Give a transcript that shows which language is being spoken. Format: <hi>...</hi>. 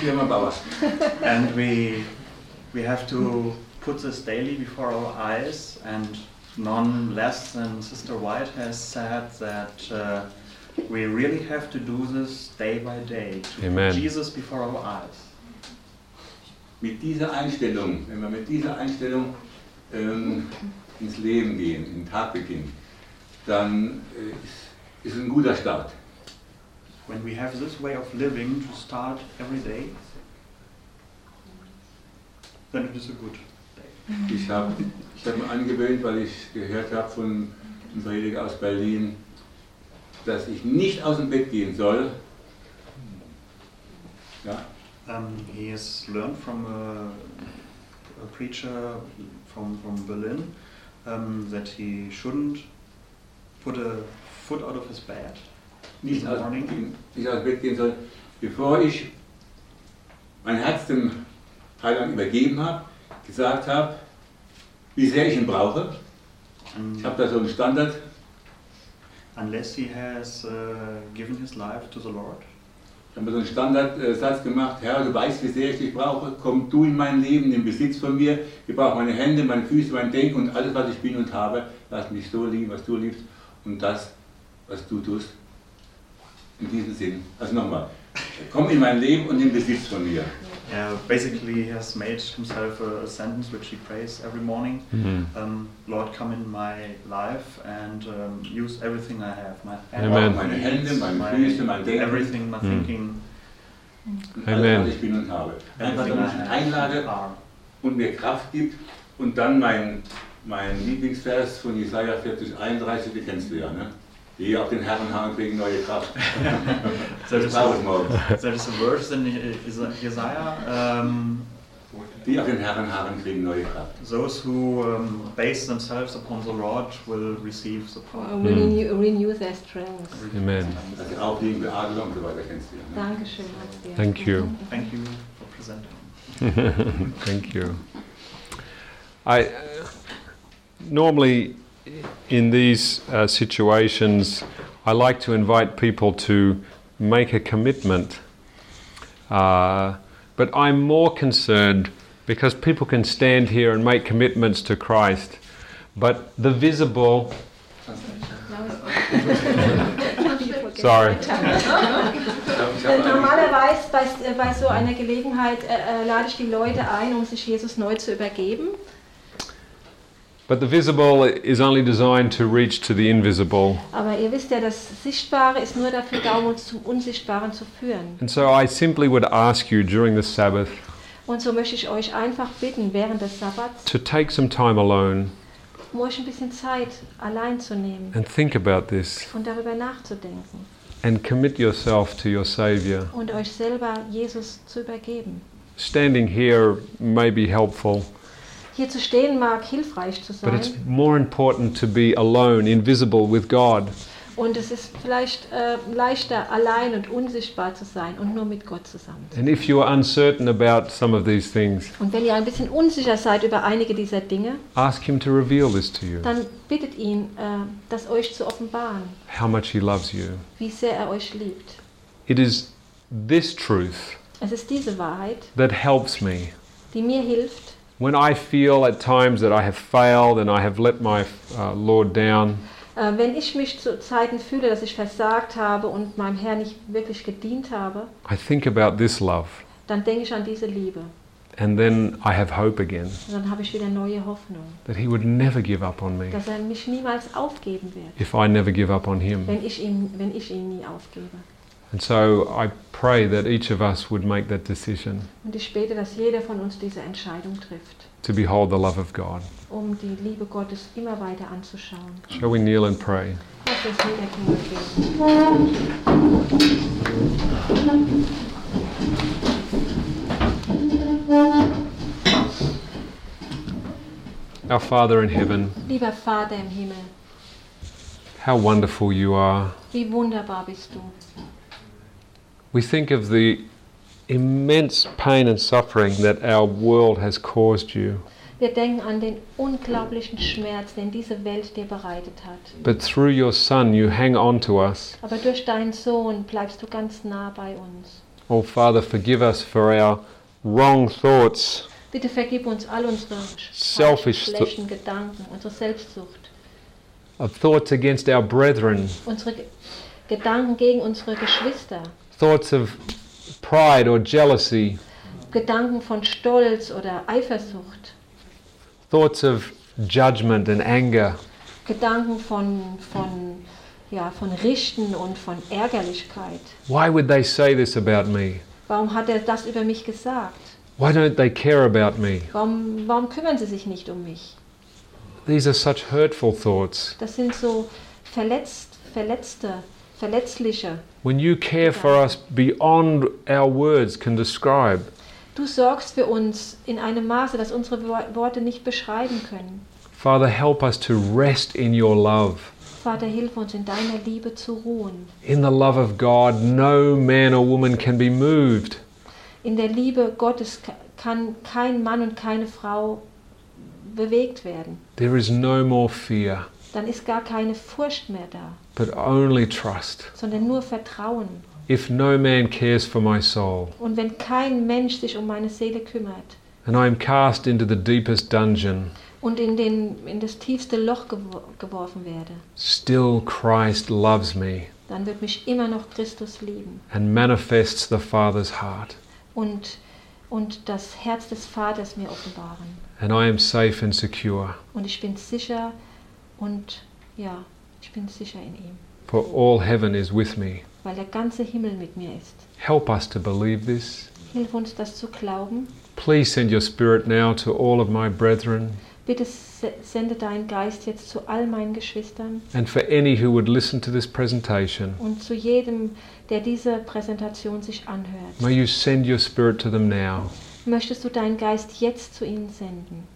<en>And we have to put this daily before our eyes, and none less than Sister White has said that we really have to do this day by day to put Jesus before our eyes.</en> <de>Mit dieser Einstellung, wenn wir mit dieser Einstellung ins Leben gehen, in den Tag beginnen, dann ist ein guter Start.</de> <en>When we have this way of living to start every day, then it is a good day.</en> <de>Ich hab mir angewöhnt, weil ich gehört habe von einem Prediger aus Berlin, dass ich nicht aus dem Bett gehen soll. Ja.</de> <en>He has learned from a preacher from Berlin that he shouldn't put a foot out of his bed.</en> <de>Nicht aus dem Bett gehen soll, bevor ich mein Herz dem Heiland übergeben habe, gesagt habe, wie sehr ich ihn brauche. Ich habe da so einen Standard.</de> <en>Unless he has given his life to the Lord.</en> <de>haben wir so einen Standardsatz gemacht: Herr, du weißt, wie sehr ich dich brauche, komm du in mein Leben, in den Besitz von mir. Ich brauche meine Hände, meine Füße, mein Denken und alles, was ich bin und habe. Lass mich so lieben, was du liebst und das, was du tust. In diesem Sinn. Also nochmal: Komm in mein Leben und in Besitz von mir.</de> <en>Yeah, basically he has made himself a sentence which he prays every morning. Mm-hmm. Lord, come in my life and use everything I have. My hand, my</en> <de>Hände, meine Füße,</de> <en>my</en> <de>Denken.</de> <en>Everything, my thinking.</en> <de>Alles, was ich bin und habe. Einfach, dass er mich einlade und mir Kraft gibt. Und dann mein Lieblingsvers von Jesaja 40, 31, die kennst du ja, ne? Die auf den Herren haben wegen neue Kraft.</de> <en>That is a verse in Jesaja.</en> <de>Die auf den Herren haben kriegen neue Kraft.</de> <en>Those who base themselves upon the Lord will receive the power. Will renew their strength. Amen.</en> <de>Also auch die Beadelung und so weiter kennst du ja. Dankeschön.</de> <en>Thank you. Thank you for presenting. Thank you. I normally, in these situations, I like to invite people to make a commitment. But I'm more concerned because people can stand here and make commitments to Christ, but the visible... Sorry.</en> <de>Normalerweise bei so einer Gelegenheit lade ich die Leute ein, um sich Jesus neu zu übergeben.</de> <en>But the visible is only designed to reach to the invisible.</en> <de>Aber ihr wisst ja, das Sichtbare ist nur dafür da, um uns zum Unsichtbaren zu führen.</de> <en>And so I simply would ask you during the Sabbath.</en> <de>Und so möchte ich euch einfach bitten, während des Sabbats,</de> <en>to take some time alone.</en> <de>Um euch ein bisschen Zeit allein zu nehmen.</de> <en>And think about this.</en> <de>Und darüber nachzudenken.</de> <en>And commit yourself to your Savior.</en> <de>Und euch selber Jesus zu übergeben.</de> <en>Standing here may be helpful.</en> <de>Hier zu stehen mag hilfreich zu sein.</de> <en>But it's more important to be alone, invisible with God.</en> <de>Und es ist vielleicht leichter allein und unsichtbar zu sein und nur mit Gott zusammen.</de> <en>And if you are uncertain about some of these things.</en> <de>Und wenn ihr ein bisschen unsicher seid über einige dieser Dinge.</de> <en>Ask him to reveal this to you.</en> <de>Dann bittet ihn, das euch zu offenbaren.</de> <en>How much he loves you.</en> <de>Wie sehr er euch liebt.</de> <en>It is this truth.</en> <de>Es ist diese Wahrheit.</de> <en>That helps me.</en> <de>Die mir hilft.</de> <en>When I feel at times that I have failed and I have let my Lord down.</en> <de>Wenn ich mich zu Zeiten fühle, dass ich versagt habe und meinem Herrn nicht wirklich gedient habe.</de> <en>I think about this love.</en> <de>Dann denke ich an diese Liebe.</de> <en>And then I have hope again.</en> <de>Und dann habe ich wieder neue Hoffnung.</de> <en>That he would never give up on me.</en> <de>Dass er mich niemals aufgeben wird.</de> <en>If I never give up on him.</en> <de>Wenn ich ihn nie aufgebe.</de> <en>And so I pray that each of us would make that decision.</en> <de>Und ich bete, dass jeder von uns diese Entscheidung trifft.</de> <en>To behold the love of God.</en> <de>Um die Liebe Gottes immer weiter anzuschauen.</de> <en>Shall we kneel and pray?</en> <de>Lass uns niederknien und beten.</de> <en>Our Father in heaven.</en> <de>Lieber Vater im Himmel.</de> <en>How wonderful you are.</en> <de>Wie wunderbar bist du.</de> <en>We think of the immense pain and suffering that our world has caused you.</en> <de>Wir denken an den unglaublichen Schmerz, den diese Welt dir bereitet hat.</de> <en>But through your Son you hang on to us.</en> <de>Aber durch deinen Sohn bleibst du ganz nah bei uns.</de> <en>Oh Father, forgive us for our wrong thoughts.</en> <de>Bitte vergib uns all unsere schlechten Gedanken, unsere Selbstsucht.</de> <en>Of thoughts against our brethren.</en> <de>Unsere Gedanken gegen unsere Geschwister.</de> <en>Thoughts of pride or jealousy.</en> <de>Gedanken von Stolz oder Eifersucht.</de> <en>Thoughts of judgment and anger.</en> <de>Gedanken von Richten und von Ärgerlichkeit.</de> <en>Why would they say this about me?</en> <de>Warum hat er das über mich gesagt?</de> <en>Why don't they care about me?</en> <de>Warum kümmern sie sich nicht um mich?</de> <en>These are such hurtful thoughts.</en> <de>Das sind so verletzliche.</de> <en>When you care for us beyond our words can describe.</en> <de>Du sorgst für uns in einem Maße, das unsere Worte nicht beschreiben können.</de> <en>Father, help us to rest in your love.</en> <de>Vater, hilf uns in deiner Liebe zu ruhen.</de> <en>In the love of God, no man or woman can be moved.</en> <de>In der Liebe Gottes kann kein Mann und keine Frau bewegt werden.</de> <en>There is no more fear.</en> <de>Dann ist gar keine Furcht mehr da.</de> <en>But only trust.</en> <de>Sondern nur Vertrauen.</de> <en>if no man cares for my soul.</en> <de>Und wenn kein Mensch sich um meine Seele kümmert.</de> <en>And I am cast into the deepest dungeon.</en> <de>Und in das tiefste Loch geworfen werde.</de> <en>Still Christ loves me.</en> <de>Dann wird mich immer noch Christus lieben.</de> <en>And manifests the Father's heart.</en> <de>Und das Herz des Vaters mir offenbaren.</de> <en>And I am safe and secure.</en> <de>Und ich bin sicher und ja, ich bin sicher in ihm.</de> <en>For all heaven is with me.</en> <de>Weil der ganze Himmel mit mir ist.</de> <en>Help us to believe this.</en> <de>Hilf uns, das zu glauben.</de> <en>Please send your spirit now to all of my brethren.</en> <de>Bitte sende deinen Geist jetzt zu all meinen Geschwistern.</de> <en>And for any who would listen to this presentation.</en> <de>Und zu jedem, der diese Präsentation sich anhört.</de> <en>May you send your spirit to them now.</en> <de>Möchtest du deinen Geist jetzt zu ihnen senden?</de>